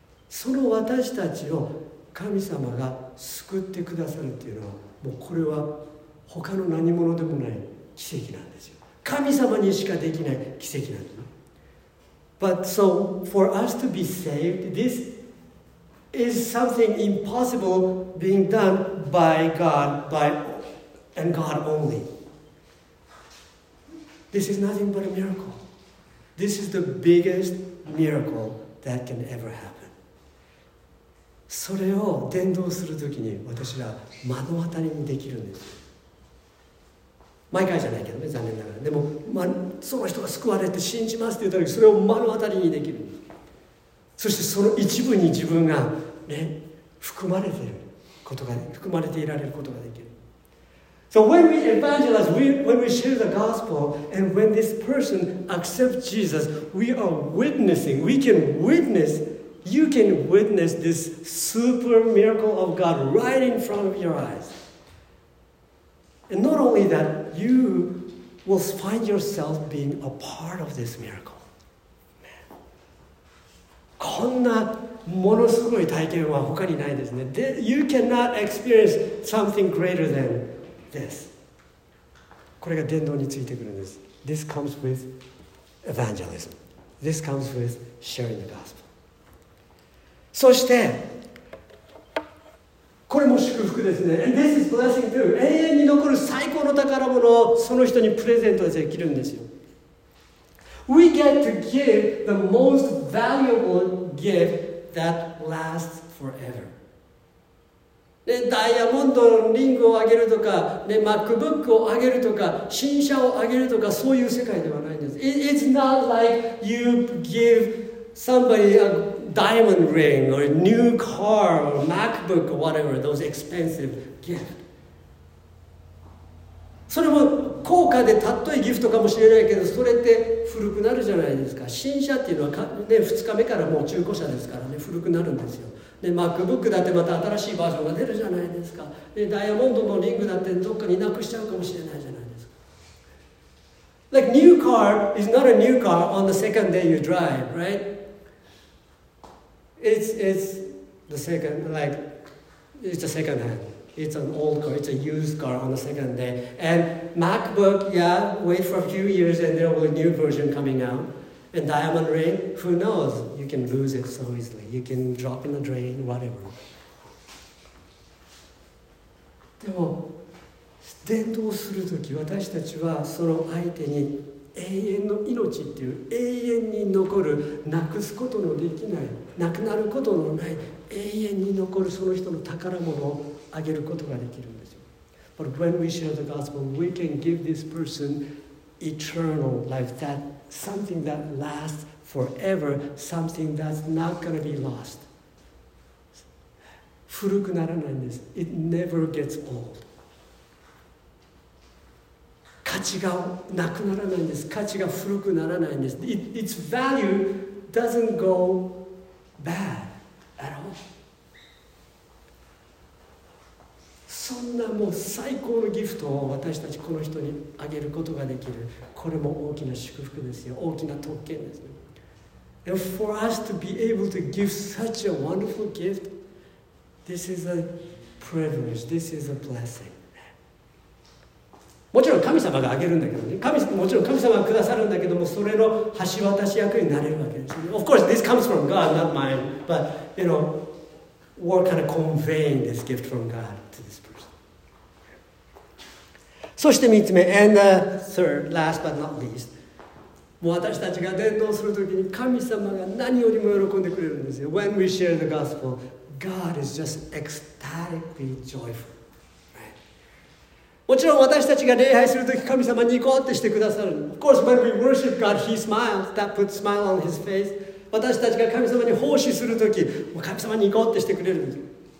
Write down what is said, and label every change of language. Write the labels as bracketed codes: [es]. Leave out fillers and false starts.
[ja] その私たちを神様が救ってくださるっていうのは、もうこれは他の何者でもない奇跡なんですよ。神様にしかできない奇跡なんです。 [en] But so, for us to be saved, this is something impossible being done by God, byAnd God only. This is nothing but a miracle. This is the biggest miracle that can ever happen. [ja] それを伝道するときに私は目の当たりにできるんです。毎回じゃないけどね、残念ながら。でも、ま、その人が救われて信じますって言ったとき、それを目の当たりにできる。そしてその一部に自分がね、含まれていることが、含まれていられることができる。 [en] So when we evangelize, when we share the gospel, and when this person accepts Jesus, we are witnessing, you can witness this super miracle of God right in front of your eyes. And not only that, you will find yourself being a part of this miracle. [ja] こんなものすごい体験は他にないですね。 [en] You cannot experience something greater than [ja] です。これが伝道についてくるんです。 [en] This comes with evangelism. This comes with sharing the gospel. [ja] そして、これも祝福ですね。 [en] And this is blessing too. [ja] 永遠に残る最高の宝物をその人にプレゼントできるんですよ。 [en] We get to give the most valuable gift that lasts forever. [ja] ね、ダイヤモンドのリングをあげるとか、ね、MacBook をあげるとか、新車をあげるとか、そういう世界ではないんです。 [en] It's not like you give somebody a diamond ring or a new car or MacBook or whatever, those expensive gift. [ja] それも高価でたっといギフトかもしれないけど、それって古くなるじゃないですか。新車っていうのは、ね、2日目からもう中古車ですからね、古くなるんですよ。で、MacBook だってまた新しいバージョンが出るじゃないですか。で、ダイヤモンドのリングだってどっかになくしちゃうかもしれないじゃないですか。 [en] Like, new car is not a new car on the second day you drive, right? It's the second, like, it's a second hand. It's an old car, it's a used car on the second day. And MacBook, yeah, wait for a few years and there will be a new version coming out. And diamond ring, who knows? You can lose it so easily. You can drop in the drain, whatever. [ja] でも、伝道するとき、私たちはその相手に永遠の命っていう、永遠に残る、なくすことのできない、なくなることのない、永遠に残るその人の宝物をあげることができるんですよ。 [en] But when we share the gospel, we can give this person eternal life that. Something that lasts forever, something that's not going to be lost. [ja] 古くならないんです。 [en] It never gets old. [ja] 価値がなくならないんです。価値が古くならないんです。 [en] Its value doesn't go bad at all. [ja] そんなもう最高のギフトを私たちこの人にあげることができる。これも大きな祝福ですよ。大きな特権ですね。 [en] And for us to be able to give such a wonderful gift, this is a privilege, this is a blessing. [ja] もちろん神様があげるんだけどね。もちろん神様がくださるんだけども、それの橋渡し役になれるわけですよ。 [en] Of course, this comes from God, not mine. But, you know, we're kind of conveying this gift from God to this person. [ja] そして3つ目、 [en] and third, last but not least, [ja] 私たちが伝道するときに神様が何よりも喜んでくれるんですよ。 [en] When we share the gospel, God is just ecstatically joyful. [ja] もちろん私たちが礼拝するとき神様ニコってしてくださる。 [en] Of course, when we worship God, He smiles. That puts a smile on His face. [ja] 私たちが神様に奉仕するとき、神様ニコってしてくれる。